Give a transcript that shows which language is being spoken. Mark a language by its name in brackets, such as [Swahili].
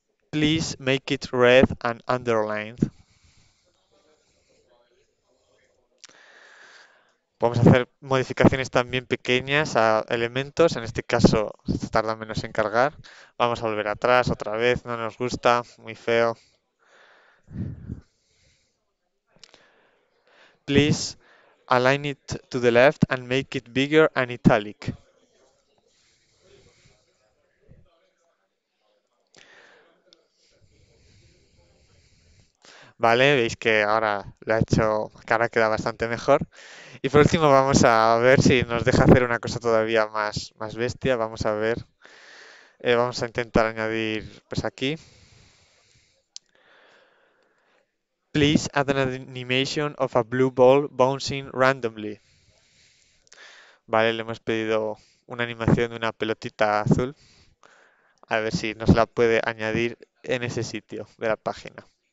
[English] Please make it red and underlined. [Spanish] Vamos a hacer modificaciones también pequeñas a elementos. En este caso, se tarda menos en cargar. Vamos a volver atrás otra vez. No nos gusta. Muy feo. [English] Please align it to the left and make it bigger and italic. [Spanish] Vale, veis que ahora lo ha hecho, que ahora queda bastante mejor. Y por último vamos a ver si nos deja hacer una cosa todavía más bestia. Vamos a ver. Vamos a intentar añadir pues aquí. [English] Please add an animation of a blue ball bouncing randomly. [Spanish] Vale, le hemos pedido una animación de una pelotita azul. A ver si nos la puede añadir en ese sitio de la página.